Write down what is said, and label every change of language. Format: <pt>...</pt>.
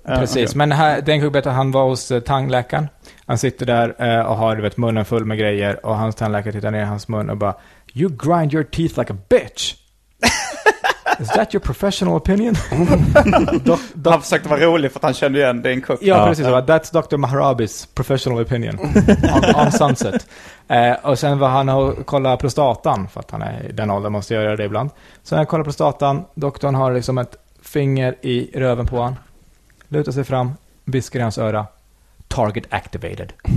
<sv>Precis, men den kuggbeta, han var hos tandläkaren. Han sitter där och har, du vet, munnen full med grejer. Och hans tandläkare tittar ner i hans mun och bara,</sv> <en>You grind your teeth like a bitch. Is that your professional opinion?</en> <sv>Han försökte vara rolig för att han kände igen Dane Cook. Ja, precis.</sv> <en>That's Dr. Mahrabis professional opinion on Sunset.</en> <sv>Och sen var han och kollade prostatan, för att han är i den åldern, måste göra det ibland. Så när han kollar prostatan, doktorn har liksom ett finger i röven på han, lutar sig fram, viskar i hans öra,</sv> <en>target activated.</en>